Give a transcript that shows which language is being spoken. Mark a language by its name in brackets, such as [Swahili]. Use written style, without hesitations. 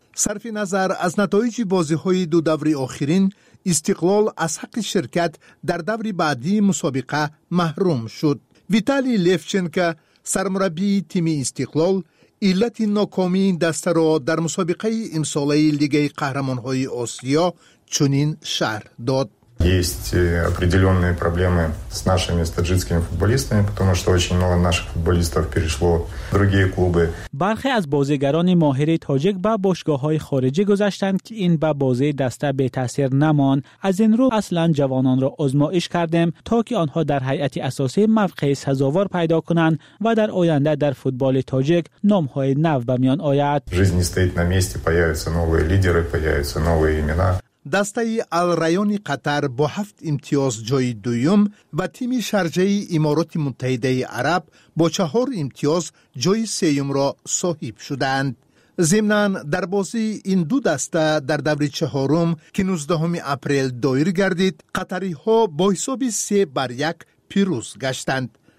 [Tajik] صرف نظر از نتایج بازی های دو دوری آخرین، استقلال از حق شرکت در دوری بعدی مسابقه محروم شد. ویتالی لفچنکا سرمربی تیم استقلال علت ناکامی دسته را در مسابقه امساله لیگ قهرمان های آسیا چنین شرح داد. [Russian] Есть определенные проблемы с нашими таджикскими футболистами, потому что очень много наших футболистов перешло в другие клубы. [Tajik] برخی از بازیگران ماهر تاجیک به باشگاه‌های خارجی گذشتند که این به بازی دسته به تاثیر نمان. از این رو اصلا جوانان را آزمایش کردیم تا که آنها در هیئت اساسی موقع سزاوار پیدا کنند و در آینده در فوتبال تاجیک نام‌های نو به میان آید. [Russian] Жизнь стоит на месте, появятся новые лидеры, появятся новые имена. [Tajik] دسته الریان قطر با 7 امتیاز جای دویم و تیم شرجه امارات متحده عرب با 4 امتیاز جای سیوم را صاحب شدند. ضمناً در بازی این دو دسته در دور چهارم که 19 اپریل دایر گردید، قطری ها با حساب 3-1 پیروز گشتند.